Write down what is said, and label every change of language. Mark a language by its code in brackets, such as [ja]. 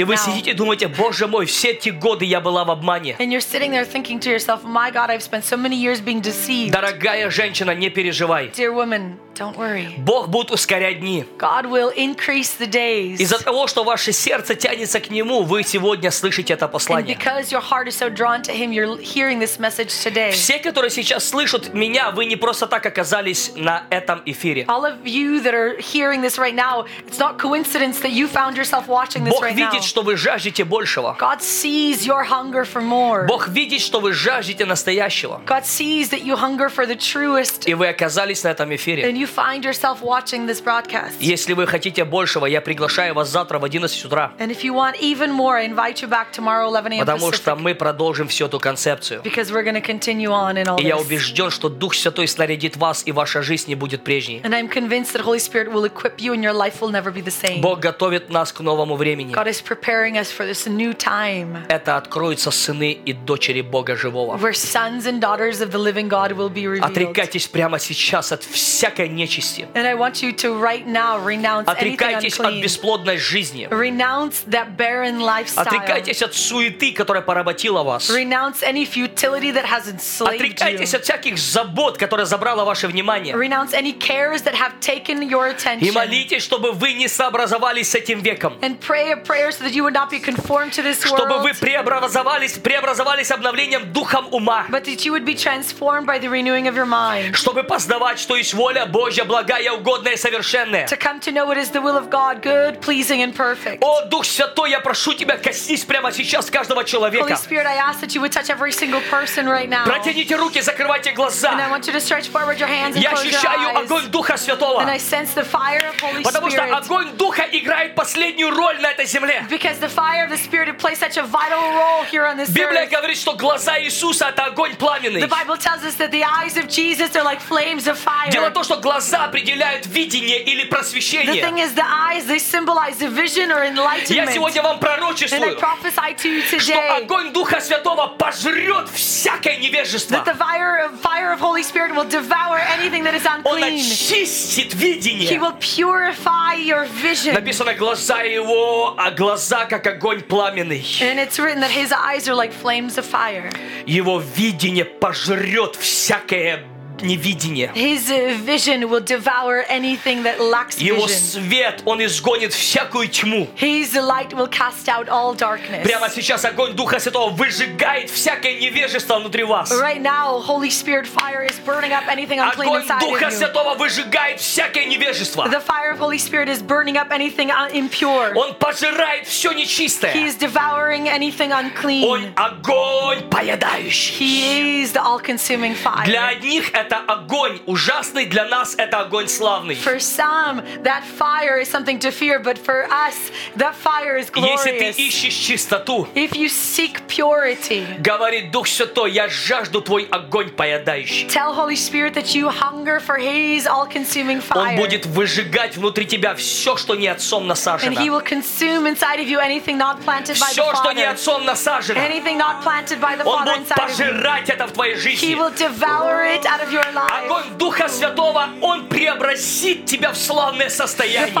[ru] И вы сидите и думаете: Боже мой, все эти годы я была в обмане. [en] And you're sitting there thinking to yourself, My God, I've spent so many years being deceived. [ru] Дорогая женщина, не переживай. [en] Dear woman, don't worry. [ru] Бог будет ускорять дни. [en] God will increase the days. [ru] Из-за того, что ваше сердце тянется к Нему, вы сегодня слышите это послание. [en] And because your heart is so drawn to Him, you're hearing this message today. [ru] Все, которые сейчас слышат меня, вы не просто так оказались на этом эфире. [en] All of you that are hearing this right now, it's not coincidence that you found yourself watching this [ru] Бог [en] right [ru] видит, [en] now. [ru] Что вы жаждете большего. [en] God sees your hunger for more. [ru] Бог видит, что вы жаждете настоящего. [en] God sees that you hunger for the truest. [ru] И вы оказались на этом эфире. [en] And you find yourself watching this broadcast. [ru] Если вы хотите большего, я приглашаю вас завтра в 11 утра. [en] And if you want even more, I invite you back tomorrow 11 a.m. [ru] Потому что мы продолжим всю эту концепцию. [en] Because we're going to continue on in all this. [ru] И я убежден, что Дух Святой снарядит вас, и ваша жизнь не будет прежней. [en] And I'm convinced that Holy Spirit will equip you and your life will never be the same. [ru] Бог готовит нас к новому времени. [en] God is preparing us for this new time. [ru] Это откроются сыны и дочери Бога живого. [en] Where sons and daughters of the living God will be revealed. [ru] Отрекайтесь прямо сейчас от всякой нечисти. [en] And I want you to right now renounce anything unclean. [ru] Отрекайтесь от бесплодной жизни. [en] Renounce that barren lifestyle. [ru] Отрекайтесь от суеты, которая поработила вас. [en] Renounce any futility that has enslaved you. [ru] Отрекайтесь Отрекитесь от всяких забот, которые забрало ваше внимание. [en] Renounce any cares that have taken your attention. [ru] И молитесь, чтобы вы не сообразовались с этим веком. [en] And pray a prayer so that you would not be conformed to this world. [ru] Чтобы вы преобразовались обновлением духом ума. [en] But that you would be transformed by the renewing of your mind. [ru] Чтобы познавать, что есть воля Божья, благая, угодная и совершенная. [en] To come to know what is the will of God, good, pleasing and perfect. [ru] О, Дух Святой, я прошу тебя, коснись прямо сейчас каждого человека. [en] Holy Spirit, I ask that you would touch every single person right now. [ru] Протяните руки, закрывайте глаза. [en] And I want you to stretch forward your hands and close your eyes. [ru] Я ощущаю огонь Духа Святого. [en] And I sense the fire of Holy Spirit. [ru] Потому что огонь Духа играет последнюю роль на этой земле. [en] Because the fire of the Spirit plays such a vital role here on this earth. [ru] Библия говорит, что глаза Иисуса это огонь пламенный. [en] The Bible tells us that the eyes of Jesus are like flames of fire. [ru] Дело в том, что глаза определяют видение или просвещение. [en] The thing is, the eyes they symbolize the vision or enlightenment. [ru] Я сегодня вам пророчествую. [en] And I prophesy to you today. [ru] Что огонь Духа Святого пожрет всякое невежество. [en] That the fire of Holy Spirit will devour anything that is unclean. [ru] Он очистит видение. [en] He will purify your vision. [ru] Написано, глаза его, а глаза как огонь пламенный. [en] And it's written that his eyes are like flames of fire. [ru] Его видение пожрет всякое невидение. [en] His vision will devour anything that lacks vision. [ru] Его свет, он изгонит всякую тьму. [en] His light will cast out all darkness. [ru] Прямо сейчас огонь Духа Святого выжигает всякое невежество внутри вас. [en] Right now, Holy Spirit fire is burning up anything unclean [ru] огонь [en] inside [ru] Духа [en] of you. [ru] Святого выжигает всякое невежество. [en] The fire of Holy Spirit is burning up anything impure. [ru] Он пожирает все нечистое. [en] He is devouring anything unclean. [ru] Он огонь поедающий. [en] He is the all-consuming fire. [ru] Для одних это огонь ужасный, для нас это огонь славный. [en] For some, that fire is something to fear, but for us, that fire is glorious. [ru] Если ты ищешь чистоту, [en] if you seek purity, [ru] говорит Дух Святой, я жажду твой огонь поедающий. [en] Tell Holy Spirit that you hunger for His all-consuming fire. [ru] Он будет выжигать внутри тебя все, что не отцом насажено. [en] And He will consume inside of you anything not planted by the Father. [ru] Все, что не отцом насажено. [en] Anything not planted by the Father inside of you. [ru] Он будет пожирать это в твоей жизни. [en] He will devour it. Out of your life. [ru] Огонь Духа Святого, он преобразит тебя в славное состояние.